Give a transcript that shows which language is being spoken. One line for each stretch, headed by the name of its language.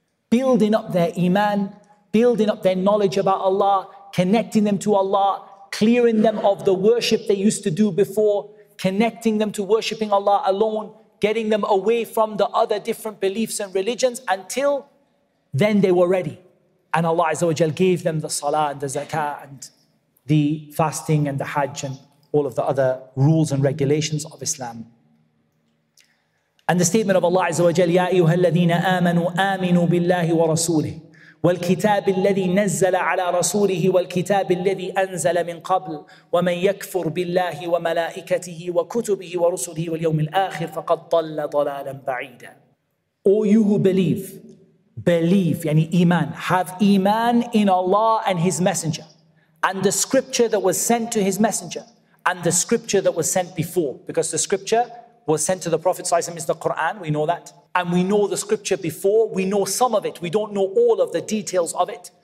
English: Building up their iman, building up their knowledge about Allah, connecting them to Allah, clearing them of the worship they used to do before, connecting them to worshipping Allah alone, getting them away from the other different beliefs and religions, until then they were ready. And Allah Azza wa Jal gave them the salah and the zakah and the fasting and the hajj and all of the other rules and regulations of Islam. And the statement of Allah Azza wa Jal,
Arabic: يَا أَيُّهَا الَّذِينَ آمَنُوا آمِنُوا بِاللَّهِ وَرَسُولِهِ والكتاب الذي نزل على رسوله والكتاب الذي أنزل من قبل ومن يكفر بالله وملائكته وكتبه ورسله واليوم الآخر فقد ضل ضلالا بعيدا.
English: O you who believe,
Arabic: يعني إيمان,
English: have إيمان in Allah and His Messenger, and the scripture that was sent to His Messenger, and the scripture that was sent before, because the scripture was sent to the Prophet ﷺ is the Quran, we know that. And we know the scripture before, we know some of it, we don't know all of the details of it.